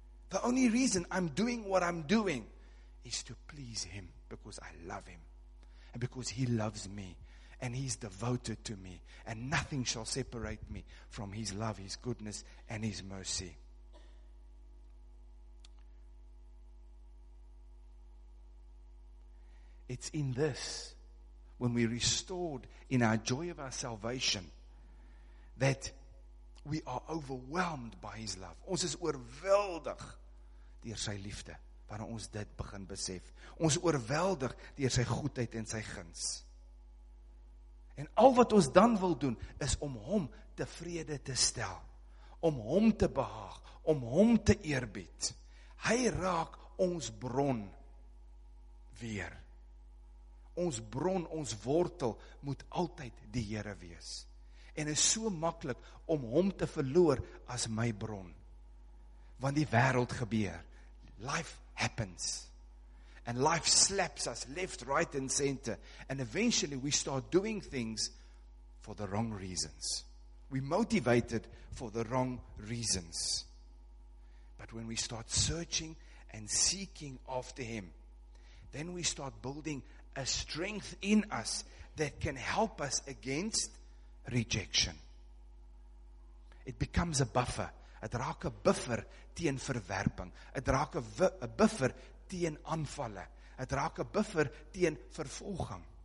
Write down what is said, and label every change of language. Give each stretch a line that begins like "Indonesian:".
English: The only reason I'm doing what I'm doing is to please Him, because I love Him and because He loves me and He's devoted to me, and nothing shall separate me from His love, His goodness and His mercy. It's in this, when we restored in our joy of our salvation, that we are overwhelmed by His love.
Afrikaans: Ons is oorweldig deur sy liefde, wanneer ons dit begin besef. Ons is oorweldig deur sy goedheid en sy guns. En al wat ons dan wil doen, is om Hom tevrede te stel, om Hom te behaag, om Hom te eerbied. Hy raak ons bron weer. Ons bron, ons wortel, moet altyd die Here wees. En is so maklik om Hom te verloor as my bron. Want die wêreld gebeur.
English: Life happens. And life slaps us left, right and center. And eventually we start doing things for the wrong reasons. We motivated for the wrong reasons. But when we start searching and seeking after Him, then we start building a strength in us that can help us against rejection. It becomes a buffer.
Afrikaans: Het raak een buffer teen verwerping. Het raak een buffer teen aanvallen. Het raak een buffer teen vervolging.